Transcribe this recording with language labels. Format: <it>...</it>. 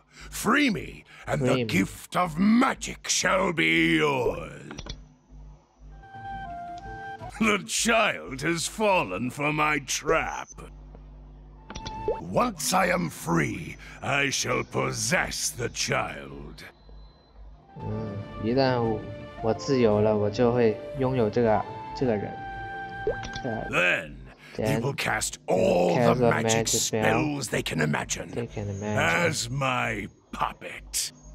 <en>Free me, and the gift of magic shall be yours. The child has fallen for my trap. Once I am free, I shall possess the child.</en> <zh>一旦我自由了，我就会拥有这个人。</zh> <en>Then they will cast all the magic spells they can imagine as my puppet.</en>